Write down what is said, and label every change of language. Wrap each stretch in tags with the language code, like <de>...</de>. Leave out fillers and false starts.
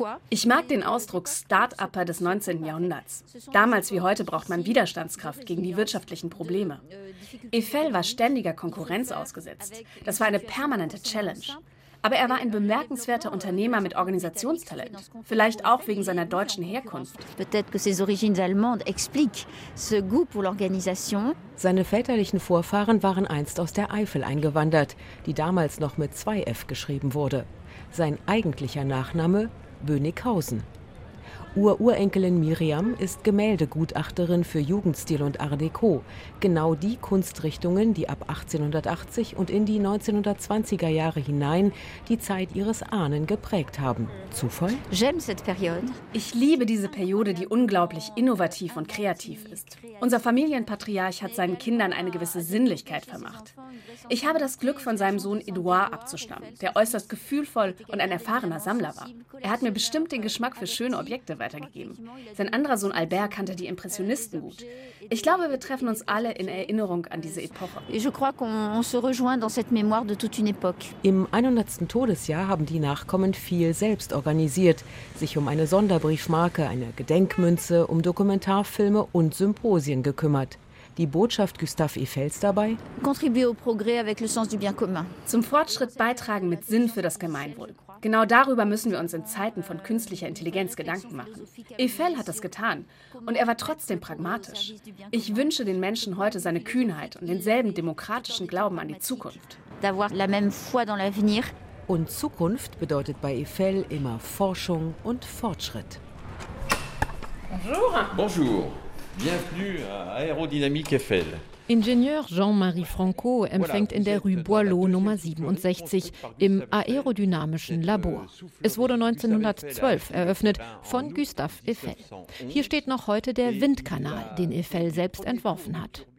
<de>Ich mag den Ausdruck Start-Upper des 19. Jahrhunderts. Damals wie heute braucht man Widerstandskraft gegen die wirtschaftlichen Probleme. Eiffel war ständiger Konkurrenz ausgesetzt. Das war eine permanente Challenge. Aber er war ein bemerkenswerter Unternehmer mit Organisationstalent. Vielleicht auch wegen seiner deutschen Herkunft.</de> <fr>Peut-être que ses origines allemandes expliquent ce goût pour l'organisation.</fr> <de>Seine väterlichen Vorfahren waren einst aus der Eifel eingewandert, die damals noch mit 2 F geschrieben wurde. Sein eigentlicher Nachname Bönighausen. Ururenkelin Myriam ist Gemäldegutachterin für Jugendstil und Art Deco. Genau die Kunstrichtungen, die ab 1880 und in die 1920er Jahre hinein die Zeit ihres Ahnen geprägt haben. Zufall?</de> <fr>J'aime cette période.</fr> <de>Ich liebe diese Periode, die unglaublich innovativ und kreativ ist. Unser Familienpatriarch hat seinen Kindern eine gewisse Sinnlichkeit vermacht. Ich habe das Glück, von seinem Sohn Edouard abzustammen, der äußerst gefühlvoll und ein erfahrener Sammler war. Er hat mir bestimmt den Geschmack für schöne Objekte weitergegeben. Sein anderer Sohn Albert kannte die Impressionisten gut. Ich glaube, wir treffen uns alle in Erinnerung an diese Epoche.</de> <fr>Je crois qu'on se rejoint dans cette mémoire de toute une époque.</fr> <de>Im 100. Todesjahr haben die Nachkommen viel selbst organisiert, sich um eine Sonderbriefmarke, eine Gedenkmünze, um Dokumentarfilme und Symposien gekümmert. Die Botschaft Gustave Eiffels dabei?</de> <fr>Contribuer au progrès avec le sens du bien commun.</fr> <de>Zum Fortschritt beitragen mit Sinn für das Gemeinwohl. Genau darüber müssen wir uns in Zeiten von künstlicher Intelligenz Gedanken machen. Eiffel hat das getan und er war trotzdem pragmatisch. Ich wünsche den Menschen heute seine Kühnheit und denselben demokratischen Glauben an die Zukunft.</de> <fr>D'avoir la même foi dans l'avenir.</fr> <de>Und Zukunft bedeutet bei Eiffel immer Forschung und Fortschritt.</de> <fr>Bonjour. Bonjour. Bienvenue à Aérodynamique Eiffel.</fr> <de>Ingenieur Jean-Marie Franco empfängt in der Rue Boileau Nummer 67 im aerodynamischen Labor. Es wurde 1912 eröffnet von Gustave Eiffel. Hier steht noch heute der Windkanal, den Eiffel selbst entworfen hat.</de>